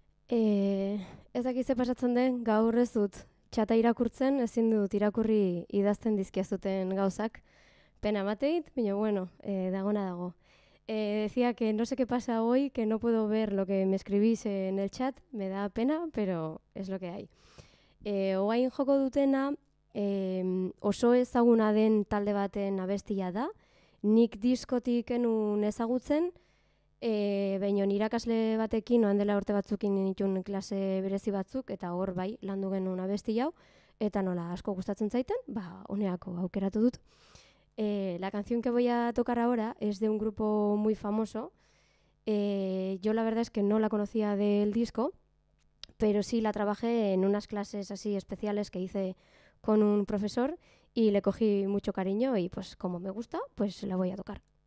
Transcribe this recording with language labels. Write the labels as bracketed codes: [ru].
[eu] Ez dakit ze pasatzen den, gaur ez dut txata irakurtzen, ezin dut irakurri idazten dizkiazuten gauzak. Pena mateit, baina bueno, dagona dago. [es] Decía que no sé qué pasa hoy, que no puedo ver lo que me escribís en el chat, me da pena, pero es lo que hay. [eu] Oain joko dutena, oso ezaguna den talde baten abestia da, nik diskotik enun ezagutzen, baina irakasle batekin, noan dela urte batzukin nituen klase berezi batzuk, eta hor bai, landu genuen abesti hau, eta nola asko gustatzen zaiten, ba, honeako aukeratu dut. [es] La canción que voy a tocar ahora es de un grupo muy famoso. Yo la verdad es que no la conocía del disco, pero sí la trabajé en unas clases así especiales que hice con un profesor y le cogí mucho cariño y pues como me gusta, pues la voy a tocar.